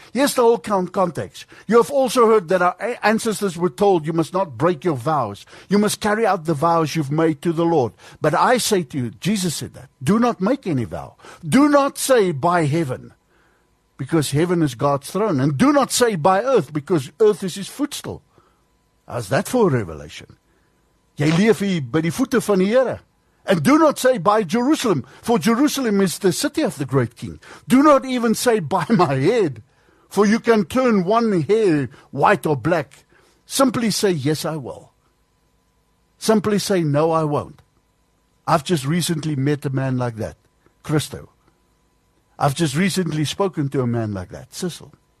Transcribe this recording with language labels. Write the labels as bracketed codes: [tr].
[en] Here's the whole context. You have also heard that our ancestors were told, you must not break your vows. You must carry out the vows you've made to the Lord. But I say to you, Jesus said that, do not make any vow. Do not say by heaven, because heaven is God's throne. And do not say by earth, because earth is his footstool. How's that for a revelation? [af] Jy leef hier by die voete van die Here. [en] And do not say by Jerusalem, for Jerusalem is the city of the great king. Do not even say by my head, for you can turn one hair white or black. Simply say, yes, I will. Simply say, no, I won't. I've just recently met a man like that, Christo. I've just recently spoken to a man like that, Cecil.